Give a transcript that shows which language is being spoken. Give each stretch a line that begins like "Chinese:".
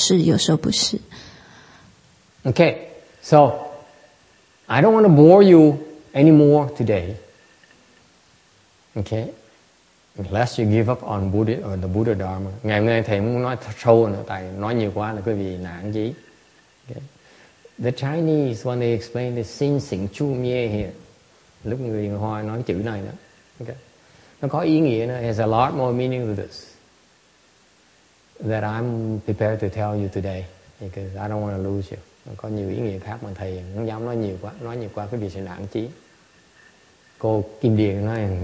Chinese: 所以他的问题是说，有时候他会看到如是即不可思议，在经文里面他们是讲一样的境界嘛？法师就是说，有时候是，有时候不是。Okay,
English: so I don't want to bore you anymore today. Okay, unless you give up on Buddha or the Buddha Dharma.
Vietnamese: Ngày hôm nay thầy muốn nói sâu nữa, tại nói nhiều quá là quý vị nản chí.
English: The Chinese, when they explain the xin xỉn chu mie here,
Vietnamese: lúc người Hoa nói chữ này đó,
English: okay,
Vietnamese: nó có ý nghĩa, nó
English: has a lot more meaning to this that I'm prepared to tell you today because I don't want to lose you.
Vietnamese: Nó có nhiều ý nghĩa khác mà thầy không dám nói nhiều quá, nói nhiều quá cái việc sẽ nản chí. Cô Kim Điền nói,